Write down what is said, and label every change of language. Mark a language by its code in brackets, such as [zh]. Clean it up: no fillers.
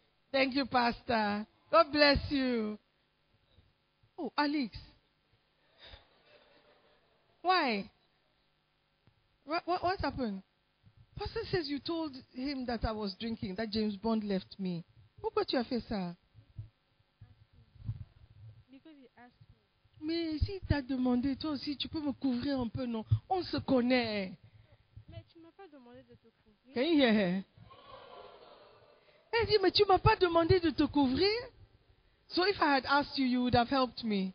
[en] Thank you, pastor. God bless you. Oh, Alex. Why? What happened? Pastor says you told him that I was drinking, that James Bond left me. Who got your face, sir? Because he asked me. [fr] Mais si t'as demandé, toi aussi, tu peux me couvrir un peu, non? On se connaît. Mais tu m'as pas demandé de te couvrir. [en] Can you hear her? [fr] Elle dit, mais tu m'as pas demandé de te couvrir? [en] So if I had asked you, you would have helped me.